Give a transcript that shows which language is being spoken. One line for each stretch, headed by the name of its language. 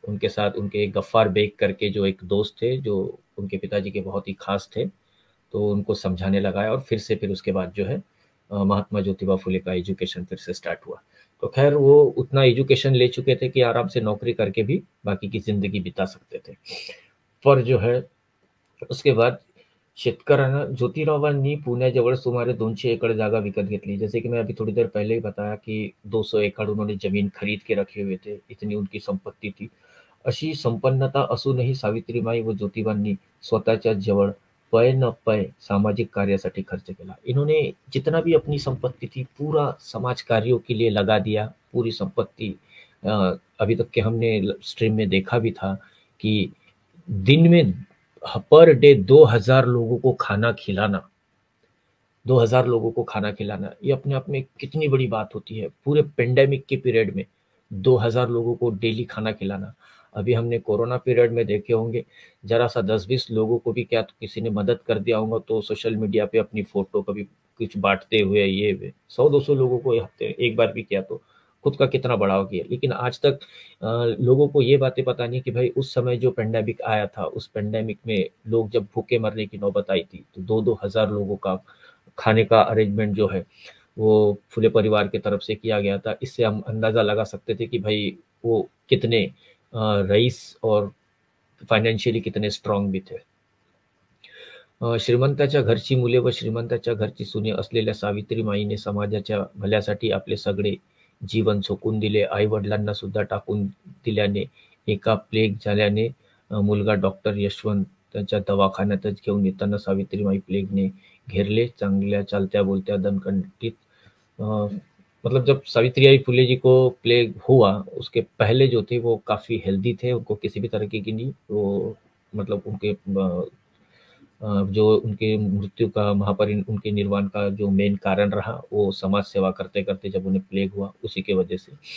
Hindi: उनके साथ उनके गफ्फार बेग करके जो एक दोस्त थे जो उनके पिताजी के बहुत ही खास थे, तो उनको समझाने लगाया और फिर से फिर उसके बाद जो है महात्मा ज्योतिबा फुले का एजुकेशन फिर से स्टार्ट हुआ. तो खैर वो उतना एजुकेशन ले चुके थे कि आराम से नौकरी करके भी बाकी की जिंदगी बिता सकते थे. पर जो है उसके बाद
Marathi: शेतकऱ्यांना ज्योतिरावांनी पुण्याजवळ सुमारे 200 एकड़ जागा विकत घेतली. जैसे कि मैं अभी थोड़ी देर पहले ही बताया कि 200 एकड़ उन्होंने जमीन खरीद के रखे हुए थे, इतनी उनकी संपत्ति थी. अशी संपन्नता असूनही सावित्रीबाई व ज्योतिबांनी स्वतःच्या जवळ पै न पै सामाजिक कार्यासाठी खर्च केला.
Hindi: इन्होंने जितना भी अपनी संपत्ति थी पूरा समाज कार्यों के लिए लगा दिया. पूरी संपत्ति अभी तक के हमने स्ट्रीम में देखा भी था कि दिन में पर डे 2000 लोगों को खाना खिलाना, 2000 लोगों को खाना खिलाना, ये अपने आप में कितनी बड़ी बात होती है. पूरे पेंडेमिक के पीरियड में 2000 लोगों को डेली खाना खिलाना, अभी हमने कोरोना पीरियड में देखे होंगे जरा सा 10-20 लोगों को भी क्या तो किसी ने मदद कर दिया होगा तो सोशल मीडिया पे अपनी फोटो कभी कुछ बांटते हुए, ये 100-200 लोगों को हफ्ते एक बार भी किया तो खुद का कितना बढ़ाव किया. लेकिन आज तक लोगों को ये बातें पता नहीं कि भाई उस समय जो पेंडेमिक आया था उस पेंडेमिक में लोग जब भूखे मरने की नौबत आई थी तो 2-2 हज़ार लोगों का खाने का अरेंजमेंट जो है वो फुले परिवार की तरफ से किया गया था. इससे हम अंदाज़ा लगा सकते थे कि भाई वो कितने रईस और फाइनेंशियली कितने स्ट्रांग भी थे.
Marathi: श्रीमंताच्या घरची मुले व श्रीमंताच्या घरची सुने असलेल्या सावित्री माईने समाजाच्या भल्यासाठी आपले सगळे जीवन झोकून दिले. आई वडिलांना सुद्धा टाकून दिल्याने एका प्लेग झाल्याने मुलगा डॉक्टर यशवंत त्यांच्या दवाखान्यातच घेऊन येताना सावित्रीबाई प्लेगने घेरले. चांगल्या चालत्या बोलत्या दणकंडीत
Hindi: मतलब जब सावित्रीबाई फुले जी को प्लेग हुआ उसके पहले जो थे वो काफ़ी हेल्दी थे, उनको किसी भी तरह की नहीं, वो मतलब उनके जो उनके मृत्यु का महापरिण उनके निर्वाण का जो मेन कारण रहा वो समाज सेवा करते करते जब उन्हें प्लेग हुआ उसी के वजह से।